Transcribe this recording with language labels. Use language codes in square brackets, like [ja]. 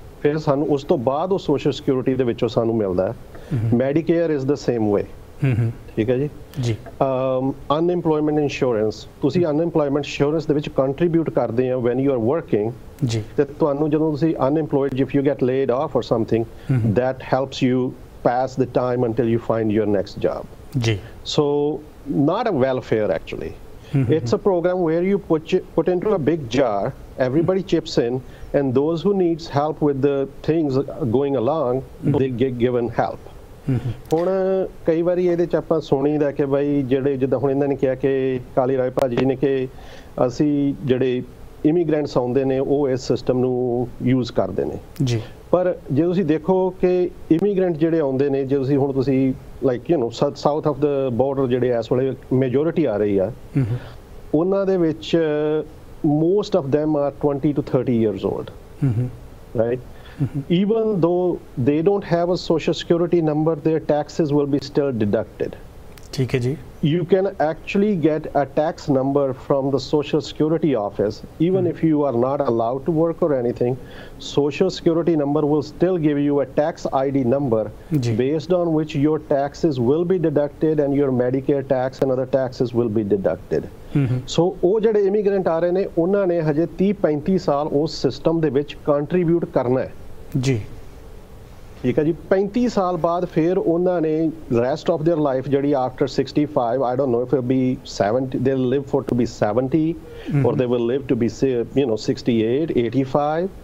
[pa] ਫਿਰ ਸਾਨੂੰ ਉਸ ਤੋਂ ਬਾਅਦ ਉਹ ਸੋਸ਼ਲ ਸਿਕਿਉਰਿਟੀ ਦੇ ਵਿੱਚੋਂ ਸਾਨੂੰ ਮਿਲਦਾ। [en] Medicare is the same way, [pa] ਠੀਕ ਹੈ ਜੀ। ਅਨਇੰਪਲੋਇਮੈਂਟ ਇੰਸ਼ੋਰੈਂਸ, ਤੁਸੀਂ ਅਨਇੰਪਲੋਇਮੈਂਟ ਇੰਸ਼ੋਰੈਂਸ ਦੇ ਵਿੱਚ ਕੰਟਰੀਬਿਊਟ ਕਰਦੇ ਹਾਂ [en] when you are working [pa] ਜੀ, ਤੇ ਤੁਹਾਨੂੰ ਜਦੋਂ ਤੁਸੀਂ [en] unemployed, if you get laid off or something, that helps you pass the time until you find your next job [pa] ਜੀ। [en] So not a welfare actually, it's a programme where you put into a big jar, everybody chips in, and those who needs help with the things going along, they get given help. [pa] ਹੁਣ ਕਈ ਵਾਰੀ ਇਹਦੇ 'ਚ ਆਪਾਂ ਸੁਣੀਦਾ ਕਿ ਬਾਈ ਜਿਹੜੇ, ਜਿੱਦਾਂ ਹੁਣ ਇਹਨਾਂ ਨੇ ਕਿਹਾ ਕਿ ਕਾਲੀ ਰਾਏ ਭਾਅ ਜੀ ਨੇ, ਕਿ ਅਸੀਂ ਜਿਹੜੇ ਇਮੀਗ੍ਰੈਂਟਸ ਆਉਂਦੇ ਨੇ ਉਹ ਇਸ ਸਿਸਟਮ ਨੂੰ ਯੂਜ਼ ਕਰਦੇ ਨੇ ਜੀ। ਪਰ ਜੇ ਤੁਸੀਂ ਦੇਖੋ ਕਿ ਇਮੀਗ੍ਰੈਂਟ ਜਿਹੜੇ ਆਉਂਦੇ ਨੇ, ਜੇ ਤੁਸੀਂ ਹੁਣ ਤੁਸੀਂ [en] like you know south of the border [pa] ਜਿਹੜੇ ਇਸ ਵੇਲੇ ਮੈਜੋਰਿਟੀ ਆ ਰਹੀ ਆ, ਉਹਨਾਂ ਦੇ ਵਿੱਚ [en] most of them are 20 to 30 years old, right? Even though they don't have a social security number, their taxes will be still deducted. [pa] Theek hai ji, [en] you can actually get a tax number from the social security office even if you are not allowed to work or anything. Social security number will still give you a tax ID number based on which your taxes will be deducted and your Medicare tax and other taxes will be deducted. [pa] ਸੋ ਉਹ ਜਿਹੜੇ immigrant ਆ ਰਹੇ ਨੇ, ਉਹਨਾਂ ਨੇ ਹਜੇ 30-35 ਸਾਲ ਉਸ ਸਿਸਟਮ ਦੇ ਵਿੱਚ ਕੰਟਰੀਬਿਊਟ ਕਰਨਾ ਜੀ, ਠੀਕ ਹੈ ਜੀ। 35 ਸਾਲ ਬਾਅਦ ਫਿਰ ਉਹਨਾਂ ਨੇ [en] rest of their life, ਜਿਹੜੀ after 65, I don't know if it be 70, they will live for to be 70 or they will live to be you know 68-85